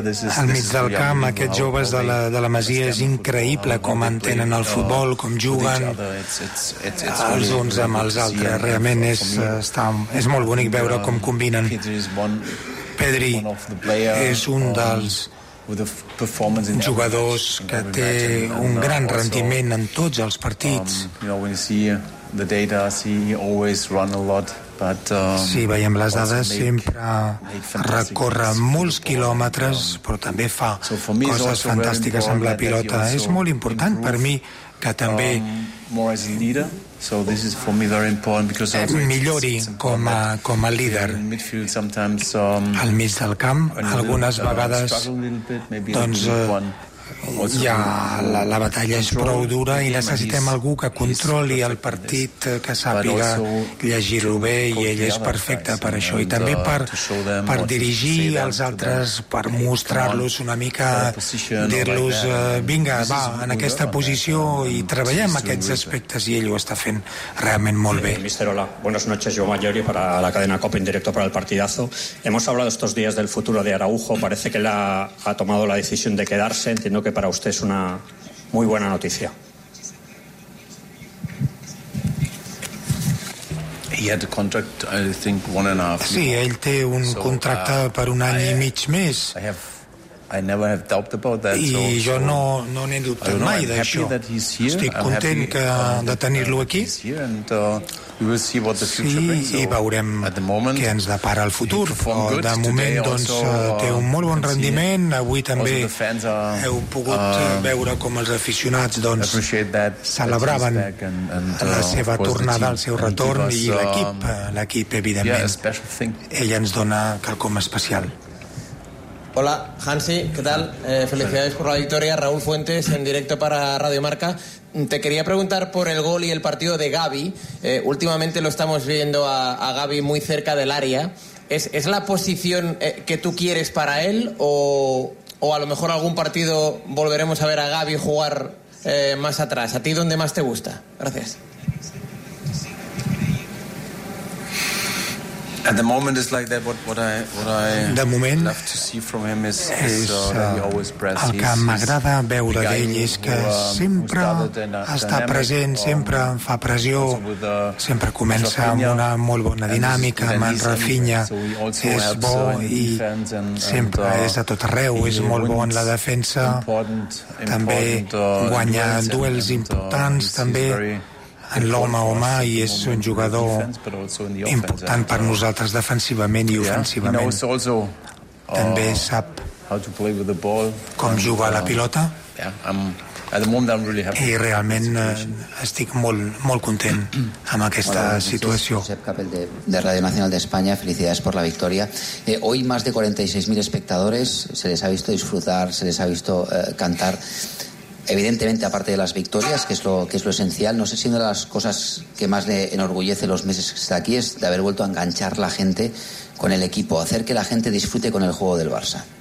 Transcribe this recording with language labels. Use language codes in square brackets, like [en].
[ca] al mig del camp, aquests joves de la Masia, és increïble com entenen el futbol, com juguen els uns amb els altres. Realment és molt bonic veure com combinen. Pedri és un dels jugadors que té un gran rendiment en tots els partits. [en] The data, he always run a lot, but [ca] sí, veiem les dades, sempre recorre molts quilòmetres, però també fa coses fantàstiques amb la pilota. És molt important per mi que també [en] so this is for me very important because [ca] millori com a líder. [en] Midfield sometimes [ca] al mig del camp algunes vegades doncs hi ha la batalla és prou dura i necessitem algú que controli el partit, que sàpiga llegir-lo bé, i ell és perfecte per això i també per dirigir els altres, per mostrar-los una mica, dir-los vinga, va, en aquesta posició i treballem aquests aspectes, i ell ho està fent realment molt bé. [es] Mister, hola, buenas noches, Joao Mayori para la cadena COPE, en directo para el partidazo. Hemos hablado estos días del futuro de Araujo, parece que él ha tomado la decisión de quedarse, entiendo que para usted es una muy buena noticia. [en] He had a contract, I think, one and a half. [ca] Sí, ell té un contracte per un any i mig més. [en] I never have doubt about that. [ca] I jo no n'he dubtat mai d'això. Estic content de tenir-lo aquí. Sí, i veurem què ens depara el futur. De moment, doncs, té un molt bon rendiment. Avui també heu pogut veure com els aficionats doncs celebraven la seva tornada, el seu retorn, i l'equip, evidentment, ell ens dona quelcom especial. [es] Hola, Hansi, ¿qué tal? Felicidades por la victoria. Raúl Fuentes, en directo para Radio Marca. Te quería preguntar por el gol y el partido de Gavi. Últimamente lo estamos viendo a Gavi muy cerca del área. ¿Es la posición que tú quieres para él o a lo mejor algún partido volveremos a ver a Gavi jugar más atrás? ¿A ti dónde más te gusta? Gracias. [en] At the moment it's like that, what I [ca] de moment, [en] love to see from him is [ca] el que m'agrada veure d'ell és que sempre està present, sempre em fa pressió, sempre comença amb una molt bona dinàmica, amb en Rafinha, és bo i sempre és a tot arreu, és molt bo en la defensa, també guanya duels importants, també en l'home o mà, i és un jugador important per nosaltres defensivament i ofensivament. També sap com jugar a la pilota i realment estic molt, molt content amb aquesta situació. [es] Josep Capel de Radio Nacional de España, felicidades por la victoria. Hoy más de 46.000 espectadores, se les ha visto disfrutar, se les ha visto cantar. Evidentemente, aparte de las victorias, que es lo esencial, no sé si una de las cosas que más le enorgullece los meses que está aquí es de haber vuelto a enganchar la gente con el equipo, hacer que la gente disfrute con el juego del Barça.